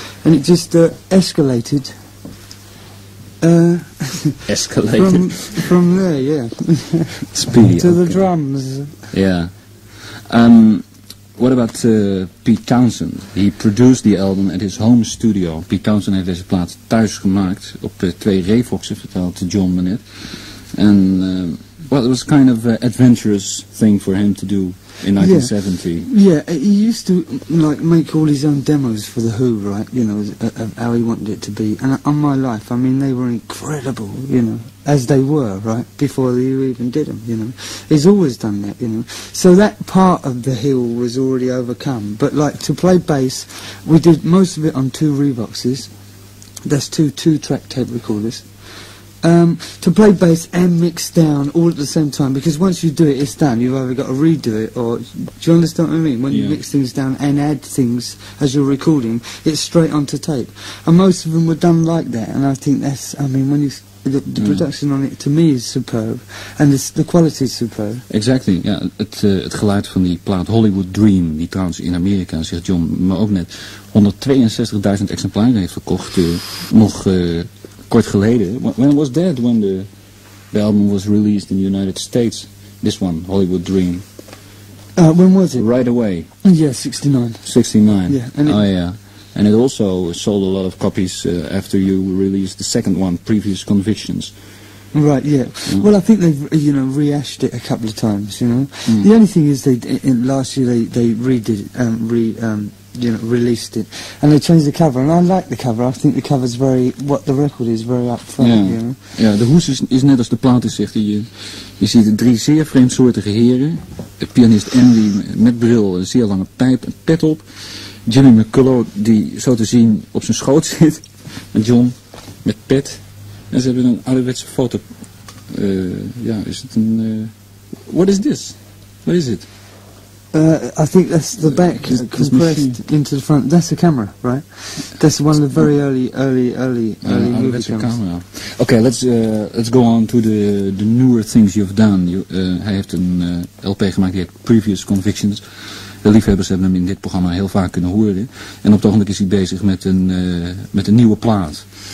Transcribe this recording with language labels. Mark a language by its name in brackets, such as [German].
[English] And it just escalated. Escalated? From there, yeah. Speedy. To the drums. Yeah. What about Pete Townsend? He produced the album at his home studio. [Dutch] Pete Townsend heeft deze plaat thuis gemaakt, op twee Rayfoxen, vertelde John Manette. [English] En... Well, it was kind of an adventurous thing for him to do in 1970. Yeah, he used to, like, make all his own demos for The Who, right, you know, of how he wanted it to be. And on my life, I mean, they were incredible, you know, as they were, right, before he even did them, you know. He's always done that, you know. So that part of The Hill was already overcome. But, like, to play bass, we did most of it on two Revoxes. That's two-track tape recorders. To play bass and mix down all at the same time, because once you do it, it's done. You've either got to redo it, or do you understand what I mean? When you mix things down and add things as you're recording, it's straight onto tape. And most of them were done like that, and I think that's, I mean, when you, the production on it, to me, is superb, and the quality is superb. [Dutch] Exactly, ja, het geluid van die plaat Hollywood Dream, die trouwens in Amerika, zegt John, maar ook net, 162.000 exemplaren heeft verkocht, nog... kort geleden. [English] When was that, when the album was released in the United States? This one, Hollywood Dream. When was it? Right away. Yeah, 69. Yeah. And it also sold a lot of copies after you released the second one, Previous Convictions. Right, yeah. Mm. Well, I think they've, you know, rehashed it a couple of times, you know. Mm. The only thing is last year they released it, and they changed the cover, and I like the cover. I think the cover's very, what the record is, very upfront, you know. [Dutch] Ja, de hoes is net als de plaat is, zegt hij. Je ziet drie zeer vreemdsoortige heren. De pianist Andy met bril, een zeer lange pijp, een pet op. Jimmy McCullough, die zo te zien op zijn schoot zit. En John met pet. En ze hebben een ouderwetse foto. Ja, is het een... [English] what is this? What is it? I think that's the back compressed into the front. That's the camera, right? That's one of the very early movie cameras. Okay, let's go on to the newer things you've done. [Dutch] Hij heeft een LP gemaakt die heet Previous Convictions. De liefhebbers hebben hem in dit programma heel vaak kunnen horen. En op het ogenblik is hij bezig met een nieuwe plaat.